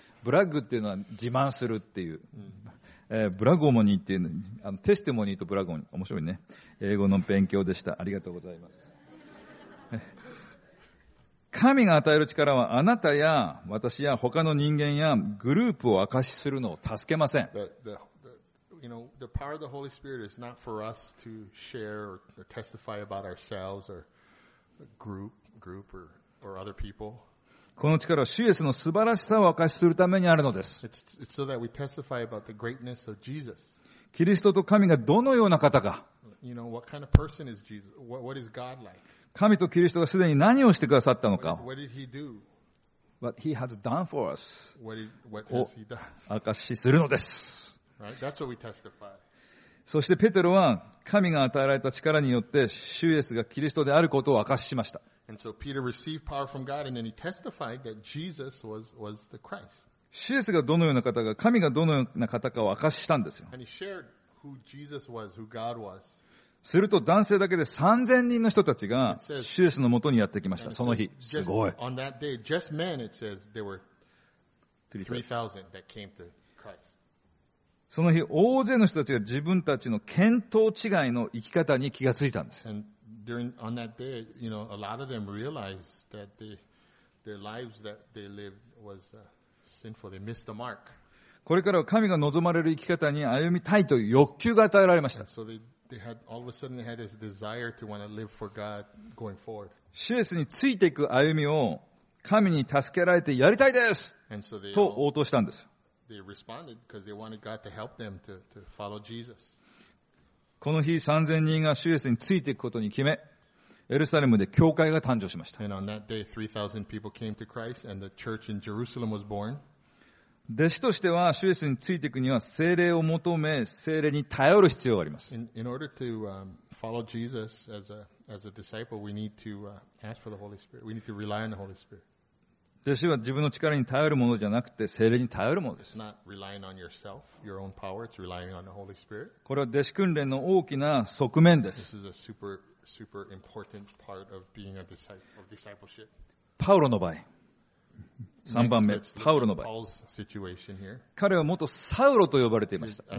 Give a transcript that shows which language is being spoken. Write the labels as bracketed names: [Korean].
[Japanese] ブラッグっていうのは自慢するっていう。ブラゴモニーっていうのに、テステモニーとブラゴモニー、面白いね。英語の勉強でした。ありがとうございます。神が与える力はあなたや私や他の人間やグループを証しするのを助けません。 [English] You know, the power of the Holy Spirit is not for us to share or testify about ourselves or group or other people. [Japanese] この力は主イエスの素晴らしさを証しするためにあるのです。 [English] It's so that we testify about the greatness of Jesus. [Japanese] キリストと神がどのような方か。 [English] You know, what kind of person is Jesus? What is God like? [Japanese] 神とキリストがすでに何をしてくださったのか。 [English] What did he do? What he has done for us. What has he done? [Japanese] 証しするのです。 [English] Right? That's what we testify. [Japanese] そしてペテロは神が与えられた力によって主イエスがキリストであることを証ししました。 [English] And so Peter received power from God, and then he testified that Jesus was the Christ. [Japanese] シエスがどのような方か、神がどのような方かを証ししたんですよ。 [English] And he shared who Jesus was, who God was. [Japanese] すると男性だけで3000人の人たちがシエスの元にやってきました。その日、すごい。 [English] On that day, just men, it says there were 3,000 that came to Christ. [Japanese] その日、大勢の人たちが自分たちの見当違いの生き方に気がついたんです。 [English] And during, on that day, you know, a lot of them realized that their lives that they lived was sinful. They missed the mark. [Japanese] これからは神が望まれる生き方に歩みたいという欲求が与えられました。 [English] So they had, all of a sudden they had this desire to want to live for God going forward. [Japanese] シエスについていく歩みを神に助けられてやりたいです [English] And so they [Japanese] と応答したんです。 [English] They responded because they wanted God to help them to follow Jesus. [Japanese] この日3000人が主イエスについていくことに決め、エルサレムで教会が誕生しました。 [English] And on that day, 3,000 people came to Christ, and the church in Jerusalem was born. [Japanese] 弟子としては主イエスについていくには聖霊を求め、聖霊に頼る必要があります。 [English] In order to follow Jesus as a disciple, we need to ask for the Holy Spirit. We need to rely on the Holy Spirit. [Japanese] 弟子は自分の力に頼るものじゃなくて聖霊に頼るものです。 [English] It's not relying on yourself, your own power. It's relying on the Holy Spirit. [Japanese] これは弟子訓練の大きな側面です。 [English] This is a super, super important part of being a disciple, of discipleship. [Japanese] パウロの場合。3番目、パウロの場合。彼は元サウロと呼ばれていました。